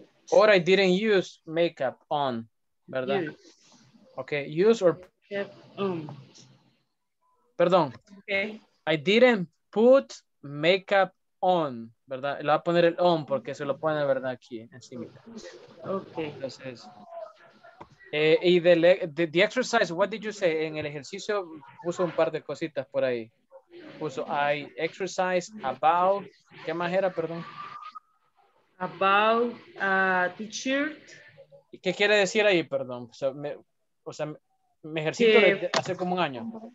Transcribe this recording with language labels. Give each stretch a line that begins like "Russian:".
English: Or I didn't use makeup on,
Spanish: ¿verdad?
English: Use. Okay, use or...
Spanish: Perdón. Okay.
English: I didn't put makeup on.
Spanish: ¿Verdad? Le va a poner el on porque se lo pone, ¿verdad? Aquí encima. Okay. Entonces, y
English: the exercise, what did you say?
Spanish: En el ejercicio puso un par de cositas por ahí. Puso
English: I exercise about,
Spanish: ¿qué más era? Perdón.
English: About a t-shirt.
Spanish: ¿Qué quiere decir ahí? Perdón. Me ejercito hace como un año.